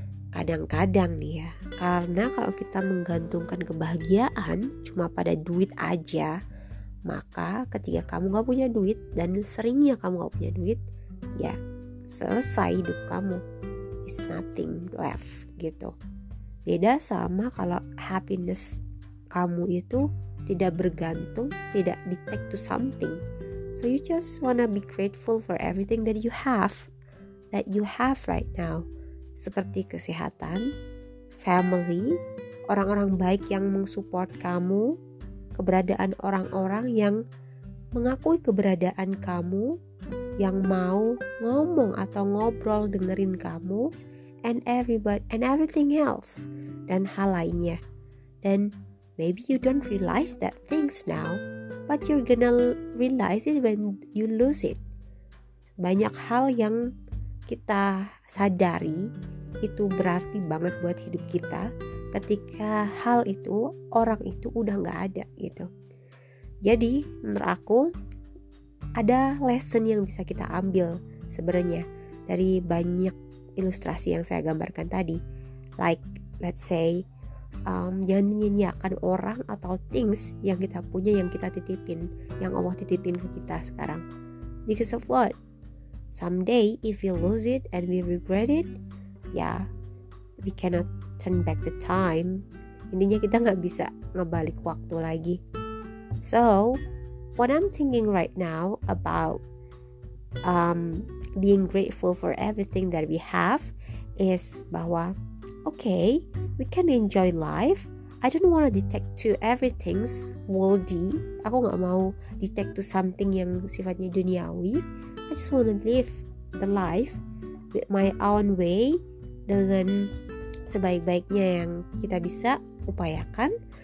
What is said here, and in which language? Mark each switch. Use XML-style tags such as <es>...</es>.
<id>Kadang-kadang nih ya, karena kalau kita menggantungkan kebahagiaan cuma pada duit aja, maka ketika kamu gak punya duit, dan seringnya kamu gak punya duit, ya selesai hidup kamu.</id> <en>It's nothing left</en> <id>gitu. Beda sama kalau happiness kamu itu tidak bergantung,</id> <en>tidak detect to something. So you just wanna be grateful for everything that you have right now.</en> <id>Seperti kesehatan, family, orang-orang baik yang mensupport kamu, keberadaan orang-orang yang mengakui keberadaan kamu, yang mau ngomong atau ngobrol dengerin kamu,</id> <en>and everything else,</en> <id>dan hal lainnya.</id> <en>Then maybe you don't realize that things now, but you're gonna realize it when you lose it.</en> <id>banyak hal yang kita sadari itu berarti banget buat hidup kita ketika hal itu, orang itu udah gak ada gitu. Jadi menurut aku ada lesson yang bisa kita ambil sebenarnya dari banyak ilustrasi yang saya gambarkan tadi.</id> <en>Like let's say</en> <id>jangan nyanyiakan orang atau things yang kita punya, yang kita titipin, yang Allah titipin ke kita sekarang.</id> <en>Because of what? Someday if we lose it and we regret it, yeah, we cannot turn back the time.</en> <id>Intinya kita gak bisa ngebalik waktu lagi.</id> <en>So what I'm thinking right now about being grateful for everything that we have is bahwa okay, we can enjoy life. I don't want to detect to everything's worldly.</en> <id>Aku gak mau</id> <en>detect to something</en> <id>yang sifatnya duniawi.</id> <en>I just want to live the life with my own way,</en> <id>dengan sebaik-baiknya yang kita bisa upayakan.</id>